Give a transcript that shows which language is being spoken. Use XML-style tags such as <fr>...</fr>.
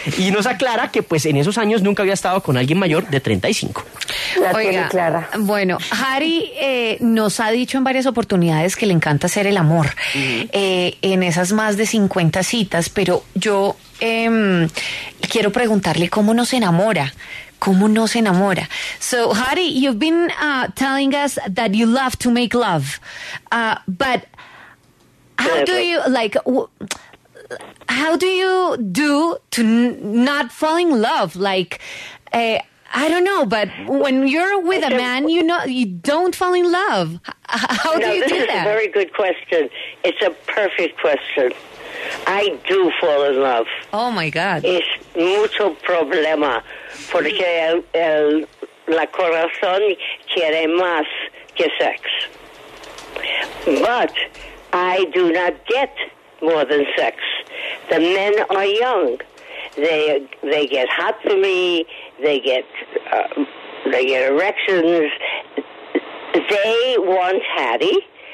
<es>Y nos aclara que pues en esos años nunca había estado con alguien mayor de 35. Oiga, Clara. Bueno, Harry nos ha dicho en varias oportunidades que le encanta hacer el amor. Mm-hmm. En esas más de 50 citas, pero yo... quiero preguntarle cómo nos enamora, cómo nos enamora.</es> <en>So, Hari, you've been telling us that you love to make love, but how do you do to not fall in love? Like, I don't know, but when you're with a man, you know, you don't fall in love. How do you do that? That's a very good question. It's a perfect question. I do fall in love. Oh, my God.</en> <es>Es mucho problema, porque la corazón quiere más que sex.</es> <en>But I do not get more than sex. The men are young. They get hot for me. They get erections. They want Hattie.</en>